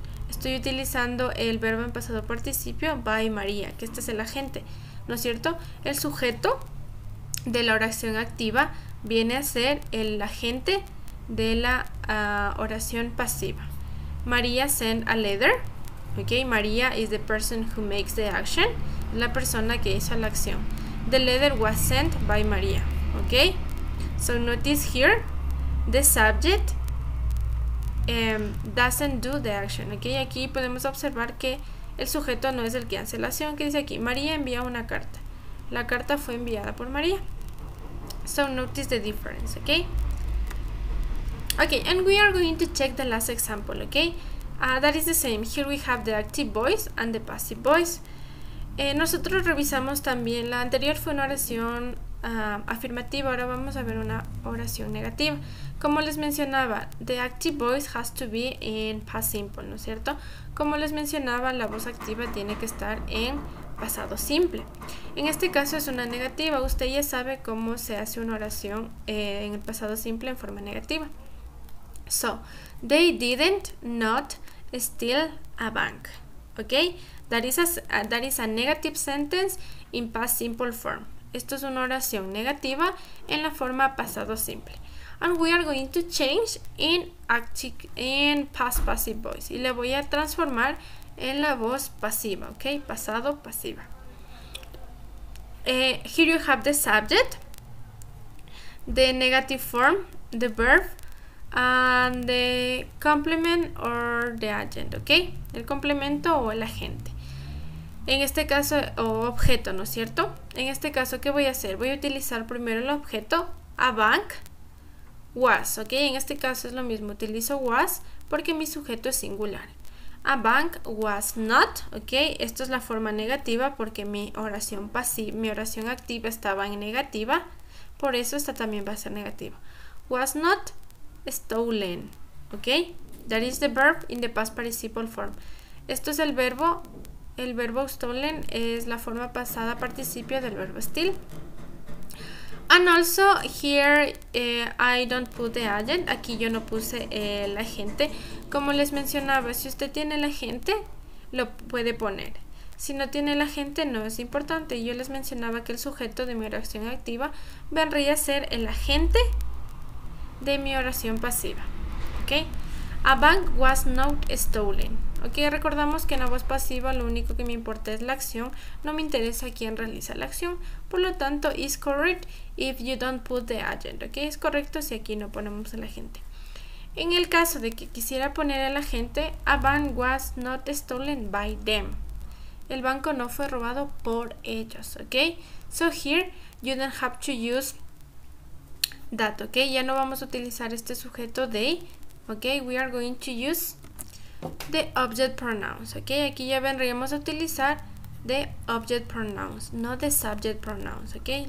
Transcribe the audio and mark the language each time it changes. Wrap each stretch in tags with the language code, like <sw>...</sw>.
<es>Estoy utilizando el verbo en pasado participio,</es> <en>by Maria,</en> <es>que este es el agente, ¿no es cierto? El sujeto de la oración activa viene a ser el agente de la oración pasiva.</es> <en>María sent a letter. Ok, María is the person who makes the action.</en> <es>La persona que hizo la acción.</es> <en>The letter was sent by María. Ok, so notice here the subject doesn't do the action.</en> <es>Ok, aquí podemos observar que el sujeto no es el que hace la acción. Que dice aquí, María envía una carta. La carta fue enviada por María.</es> <en>So notice the difference. Ok. Okay, and we are going to check the last example, okay? That is the same. Here we have the active voice and the passive voice.</en> <es>Nosotros revisamos también, la anterior fue una oración afirmativa, ahora vamos a ver una oración negativa. Como les mencionaba,</es> <en>the active voice has to be in past simple,</en> <es>¿no es cierto? Como les mencionaba, la voz activa tiene que estar en pasado simple. En este caso es una negativa, usted ya sabe cómo se hace una oración en el pasado simple en forma negativa.</es> <en>So, they didn't not steal a bank. Okay? That is a negative sentence in past simple form.</en> <es>Esto es una oración negativa en la forma pasado simple.</es> <en>And we are going to change in past passive voice.</en> <es>Y le voy a transformar en la voz pasiva.</es> <en>Okay?</en> <es>Pasado pasiva.</es> <en>Here you have the subject, the negative form, the verb, and the complement or the agent, ¿ok?</en> <es>El complemento o el agente. En este caso, o objeto, ¿no es cierto? En este caso, ¿qué voy a hacer? Voy a utilizar primero el objeto,</es> <en>a bank, was,</en> <es>¿ok? En este caso es lo mismo, utilizo was porque mi sujeto es singular.</es> <en>A bank was not,</en> <es>¿ok? Esto es la forma negativa porque mi oración activa estaba en negativa, por eso esta también va a ser negativa.</es> <en>Was not stolen, ok, that is the verb in the past participle form.</en> <es>Esto es el verbo stolen es la forma pasada participio del verbo steal.</es> <en>And also here I don't put the agent,</en> <es>aquí yo no puse el agente. Como les mencionaba, si usted tiene el agente lo puede poner, si no tiene el agente no es importante. Yo les mencionaba que el sujeto de mi oración activa vendría a ser el agente de mi oración pasiva, ¿ok?</es> <en>A bank was not stolen.</en> <es>Ok, recordamos que en la voz pasiva lo único que me importa es la acción, no me interesa quién realiza la acción. Por lo tanto,</es> <en>is correct if you don't put the agent.</en> <es>Ok, es correcto si aquí no ponemos al agente. En el caso de que quisiera poner al agente,</es> <en>a bank was not stolen by them.</en> <es>El banco no fue robado por ellos, ok.</es> <en>So here, you don't have to use that, ok.</en> <es>Ya no vamos a utilizar este sujeto they, ok.</es> <en>We are going to use the object pronouns, ok.</en> <es>Aquí ya vendríamos a utilizar</es> <en>the object pronouns, no the subject pronouns,</en> <es>ok.</es>